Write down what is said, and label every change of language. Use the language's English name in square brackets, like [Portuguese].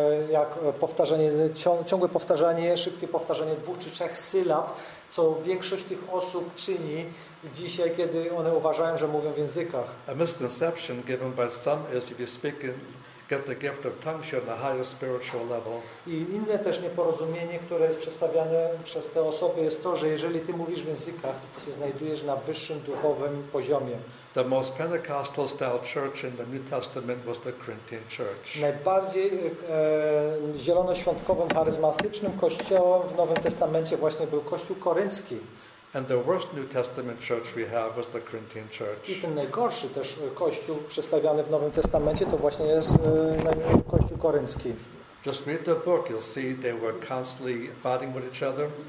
[Polish] jak powtarzanie, ciągłe powtarzanie, szybkie powtarzanie dwóch czy trzech sylab, co większość tych osób czyni dzisiaj, kiedy one uważają, że mówią w językach. [English] A misconception given by some is if you speak in get the gift of tongues on the higher spiritual level. [Polish] I inne też nieporozumienie, które jest przedstawiane przez te osoby, jest to, że jeżeli ty mówisz w językach, to ty się znajdujesz na wyższym duchowym poziomie. [English] The most Pentecostal style church in the New Testament was the Corinthian church. [Polish] Najbardziej zielonoświątkowym, charyzmatycznym kościołem w Nowym Testamencie właśnie był kościół koryncki. [English] And the worst New Testament church we have was the Corinthian church. [Polish] I ten najgorszy też kościół przedstawiany w Nowym Testamencie to właśnie jest kościół koryński. [English] Just read the book, you'll see they were constantly fighting with each other.